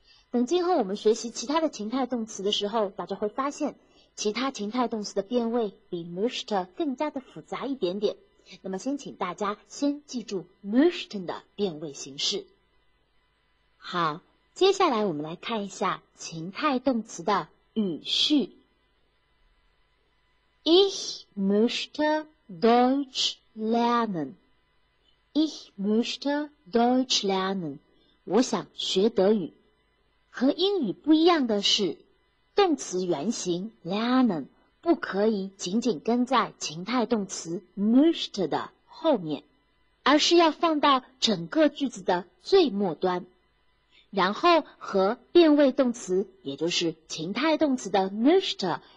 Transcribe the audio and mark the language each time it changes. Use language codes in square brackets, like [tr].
[zh] 等今后我们学习其他的情态动词的时候，大家会发现其他情态动词的变位比 Möchtet 更加的复杂一点点。那么先请大家先记住 Möchten 的变位形式。好，接下来我们来看一下情态动词的语序。 [de] Ich möchte Deutsch lernen. Ich möchte Deutsch lernen. [zh] 我想学德语。和英语不一样的是，动词原形 lernen 不可以仅仅跟在情态动词 möchte 的后面，而是要放到整个句子的最末端，然后和变位动词，也就是情态动词的 möchte。